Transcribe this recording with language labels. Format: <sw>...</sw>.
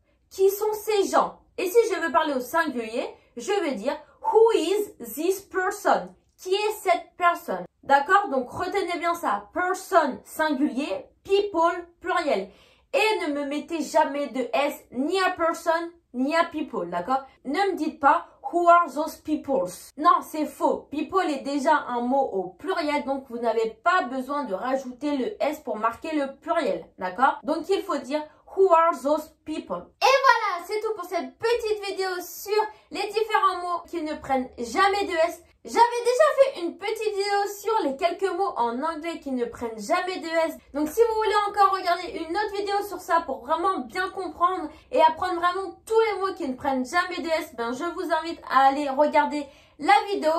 <fr>Qui sont ces gens? Et si je veux parler au singulier, je vais dire</fr> <en>who is this person?</en> <fr>Qui est cette personne? D'accord? Donc, retenez bien ça. Person, singulier. People, pluriel. Et ne me mettez jamais de S ni à person, ni à people. D'accord? Ne me dites pas</fr> <en>who are those peoples.</en> <fr>Non, c'est faux. People est déjà un mot au pluriel. Donc, vous n'avez pas besoin de rajouter le S pour marquer le pluriel. D'accord? Donc, il faut dire</fr> <en>who are those people.</en> <fr>Et voilà, c'est tout pour cette petite vidéo sur les différents mots qui ne prennent jamais de S. J'avais déjà fait une petite vidéo sur les quelques mots en anglais qui ne prennent jamais de S. Donc si vous voulez encore regarder une autre vidéo sur ça pour vraiment bien comprendre et apprendre vraiment tous les mots qui ne prennent jamais de S, ben je vous invite à aller regarder la vidéo.</fr>